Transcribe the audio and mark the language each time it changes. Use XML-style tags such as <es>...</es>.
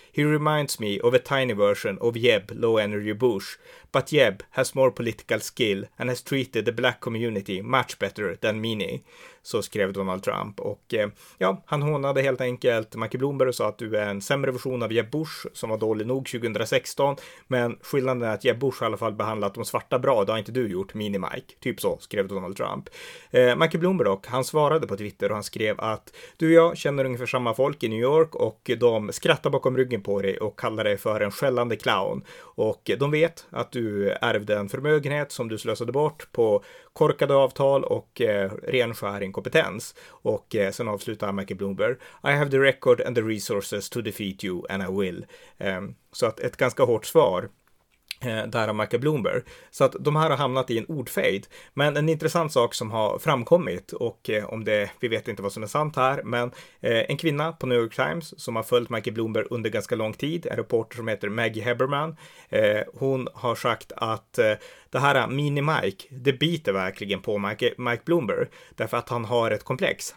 <en>He reminds me of a tiny version of Jeb Low Energy Bush, but Jeb has more political skill and has treated the black community much better than Mini.</en> <sv>Så skrev Donald Trump. Och han hånade helt enkelt Michael Bloomberg och sa att du är en sämre version av Jeb Bush som var dålig nog 2016. Men skillnaden är att Jeb Bush i alla fall behandlat de svarta bra, det har inte du gjort, Mini Mike. Typ så skrev Donald Trump. Michael Bloomberg dock, han svarade på Twitter och han skrev att du och jag känner ungefär samma folk i New York och de skrattar bakom ryggen på dig och kallar dig för en skällande clown. Och de vet att du ärvde en förmögenhet som du slösade bort på korkade avtal och renskär inkompetens. Och sen avslutar Michael Bloomberg,</sv> <en>I have the record and the resources to defeat you and I will.</en> <sv>Så att ett ganska hårt svar där av Michael Bloomberg. Så att de här har hamnat i en ordfejd. Men en intressant sak som har framkommit, och vi vet inte vad som är sant här, men en kvinna på New York Times som har följt Michael Bloomberg under ganska lång tid, en reporter som heter Maggie Heberman, hon har sagt att det här Mini Mike, det biter verkligen på Mike Bloomberg, därför att han har ett komplex.</sv>